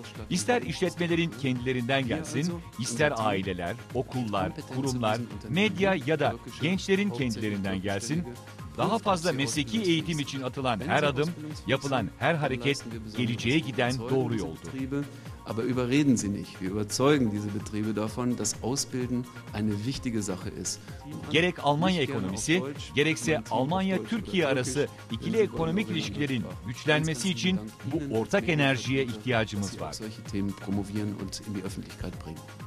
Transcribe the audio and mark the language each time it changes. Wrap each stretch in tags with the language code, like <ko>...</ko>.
<tr>İster işletmelerin kendilerinden gelsin, ister aileler, okullar, kurumlar, medya ya da gençlerin kendilerinden gelsin, daha fazla mesleki eğitim için atılan her adım, yapılan her hareket geleceğe giden doğru yoldur.</tr> <de>Aber überreden Sie nicht. Wir überzeugen diese Betriebe davon, dass Ausbilden eine wichtige Sache ist.</de> <tr>Gerek Almanya ekonomisi, gerekse Almanya-Türkiye arası ikili ekonomik ilişkilerin güçlenmesi için bu ortak enerjiye ihtiyacımız var.</tr> <de>Solche Themen promovieren und in die Öffentlichkeit bringen.</de>